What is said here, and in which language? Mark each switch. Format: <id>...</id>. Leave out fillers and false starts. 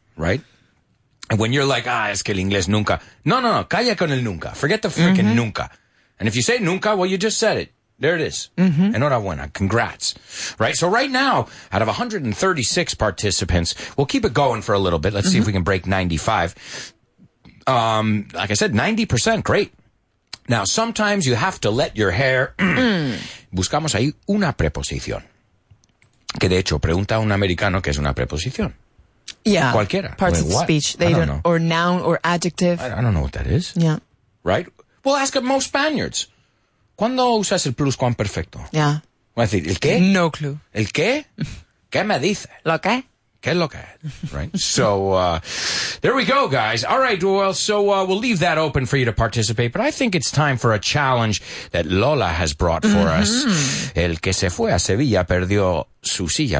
<en>Right? And when you're like,</en> <es>es que el inglés nunca. No, calla con el nunca.</es> <en>Forget the freaking nunca. And if you say nunca, well, you just said it. There it is. Mm-hmm.</en> <es>Enhorabuena.</es> <en>Congrats. Right? So right now, out of 136 participants, we'll keep it going for a little bit. Let's see if we can break 95. Like I said, 90%. Great. Now, sometimes you have to let your hair...</en> <es>Buscamos ahí una preposición. Que de hecho, pregunta a un americano qué es una preposición. Yeah. Cualquiera.</es> <en>Parts of speech. They don't know. Or noun or adjective. I don't know what that is. Yeah. Right? Well, ask most Spaniards.</en> <es>¿Cuándo usas el pluscuamperfecto? Ya. Yeah. Voy a decir, ¿el qué?</es> <en>No clue.</en> <es>¿El qué? ¿Qué me dice? ¿Lo qué? ¿Qué es lo que?</es> <en>Right? So, there we go, guys. All right, well, so we'll leave that open for you to participate, but I think it's time for a challenge that Lola has brought for us.</en> <es>El que se fue a Sevilla perdió su silla.</es>